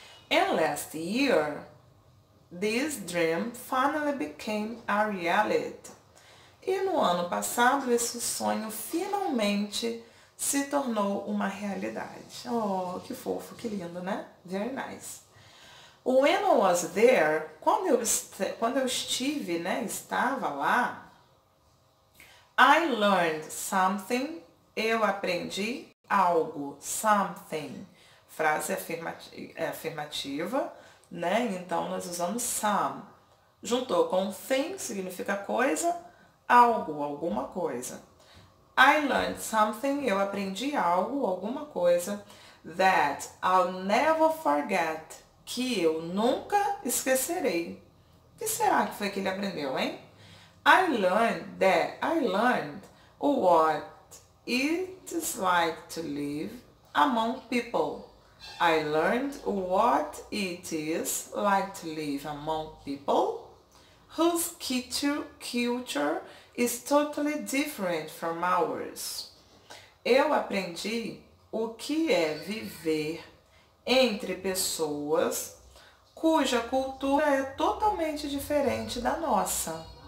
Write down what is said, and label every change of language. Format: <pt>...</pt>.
<en>And last year, this dream finally became a reality.</en> <pt>E no ano passado, esse sonho finalmente se tornou uma realidade. Oh, que fofo, que lindo, né?</pt> <en>Very nice. When I was there,</en> <pt>quando eu estive, né, estava lá,</pt> <en>I learned something,</en> <pt>eu aprendi algo, something, frase afirmativa, né? Então nós usamos some. Juntou com thing, significa coisa, algo, alguma coisa.</pt> <en>I learned something,</en> <pt>eu aprendi algo, alguma coisa,</pt> <en>that I'll never forget.</en> <pt>Que eu nunca esquecerei. O que será que foi que ele aprendeu, hein?</pt> <en>I learned what it is like to live among people. I learned what it is like to live among people whose culture is totally different from ours.</en> <pt>Eu aprendi o que é viver entre pessoas cuja cultura é totalmente diferente da nossa.</pt>